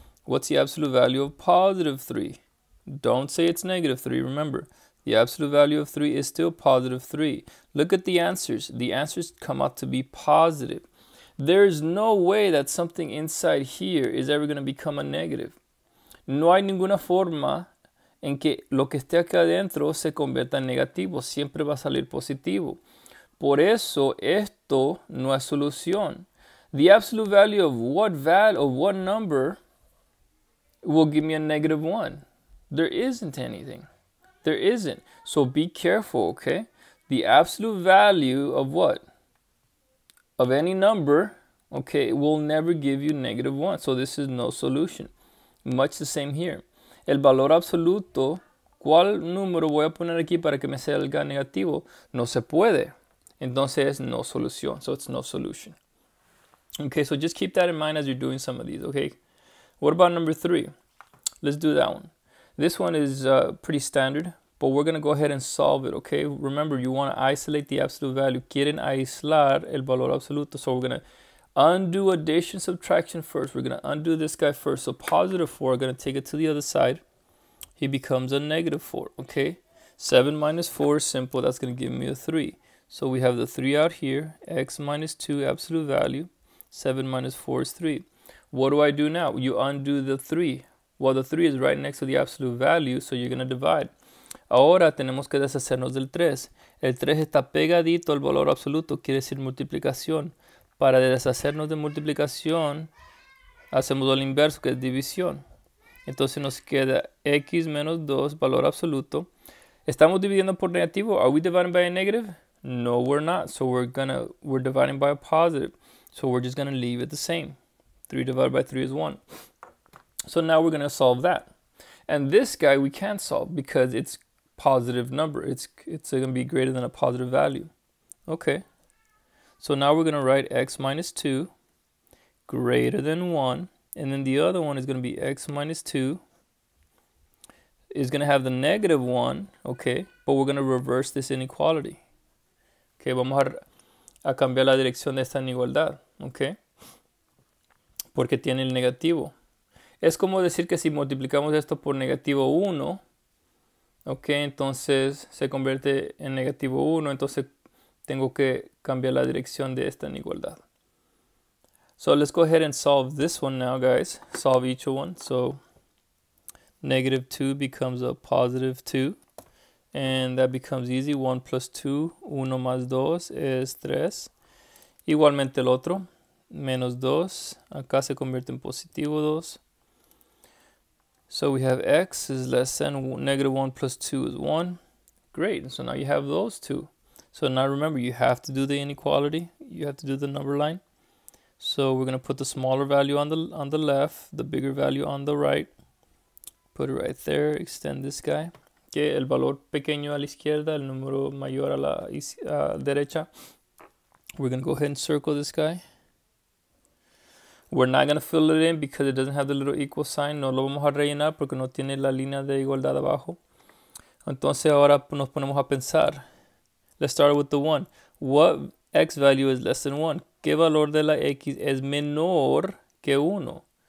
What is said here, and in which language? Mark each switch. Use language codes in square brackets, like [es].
[en] What's the absolute value of positive 3? Don't say it's negative 3. Remember, the absolute value of 3 is still positive 3. Look at the answers. The answers come out to be positive. There is no way that something inside here is ever going to become a negative. [es] No hay ninguna forma en que lo que esté acá adentro se convierta en negativo. Siempre va a salir positivo. Por eso, esto no es solución. [en] The absolute value of what value of what number will give me a negative 1? There isn't anything. There isn't. So be careful, okay? The absolute value of what? Of any number, okay, will never give you negative 1. So this is no solution. Much the same here. [es] El valor absoluto, ¿cuál número voy a poner aquí para que me salga negativo? No se puede. Entonces, no solución. [en] So it's no solution. Okay, so just keep that in mind as you're doing some of these, okay? What about number 3? Let's do that one. This one is pretty standard, but we're going to go ahead and solve it, okay? Remember, you want to isolate the absolute value. [es] Quieren aislar el valor absoluto. [en] So we're going to undo addition subtraction first. We're going to undo this guy first. So positive 4, going to take it to the other side. He becomes a negative 4, okay? 7 minus 4 is simple. That's going to give me a 3. So we have the 3 out here. X minus 2, absolute value. 7 minus 4 is 3. What do I do now? You undo the 3. Well, the 3 is right next to the absolute value, so you're going to divide. [es] Ahora tenemos que deshacernos del 3. El 3 está pegadito al valor absoluto, quiere decir multiplicación. Para deshacernos de multiplicación, hacemos lo inverso, que es división. Entonces nos queda x menos 2, valor absoluto. ¿Estamos dividiendo por negativo? [en] Are we dividing by a negative? No, we're not. So we're dividing by a positive. So we're just going to leave it the same. 3 divided by 3 is 1. So now we're going to solve that. And this guy we can't solve because it's positive number. It's going to be greater than a positive value. Okay. So now we're going to write x minus 2 greater than 1. And then the other one is going to be x minus 2 is going to have the negative 1. Okay. But we're going to reverse this inequality. Okay. [es] Vamos a cambiar la dirección de esta inigualdad. Okay. Porque tiene el negativo. Es como decir que si multiplicamos esto por negativo 1, ok, entonces se convierte en negativo 1, entonces tengo que cambiar la dirección de esta inigualdad. [en] So let's go ahead and solve this one now, guys. Solve each one. So negative 2 becomes a positive 2, and that becomes easy. 1 plus 2, [es] 1 más 2 es 3. Igualmente el otro, menos 2, acá se convierte en positivo 2. [en] So we have x is less than negative 1 plus 2 is 1. Great. So now you have those two. So now remember, you have to do the inequality. You have to do the number line. So we're going to put the smaller value on the left, the bigger value on the right. Put it right there. Extend this guy. [es] Okay, el valor pequeño a la izquierda, el número mayor a la derecha. [en] We're going to go ahead and circle this guy. We're not going to fill it in because it doesn't have the little equal sign. [es] No lo vamos a rellenar porque no tiene la línea de igualdad abajo. Entonces ahora nos ponemos a pensar. [en] Let's start with the 1. What x value is less than 1? [es] ¿Qué valor de la x es menor que 1?